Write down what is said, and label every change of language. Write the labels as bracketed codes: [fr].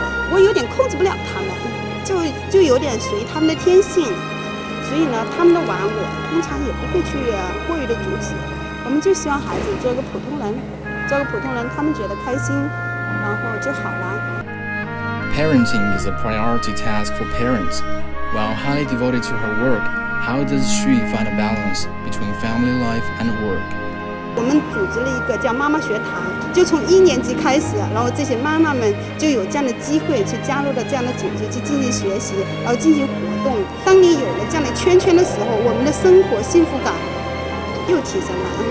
[zh] 我有点控制不了他们，就有点随他们的天性，所以呢，他们的玩我通常也不会去过于的阻止。我们就希望孩子做个普通人，做个普通人，他们觉得开心，然后就好了。 [en] Parenting is a priority task for parents. While highly devoted to her work, how does she find a balance between family life and work? [zh] 我们组织了一个叫妈妈学堂，就从一年级开始，然后这些妈妈们就有这样的机会去加入了这样的组织去进行学习，然后进行活动。当你有了这样的圈圈的时候，我们的生活幸福感又提升了。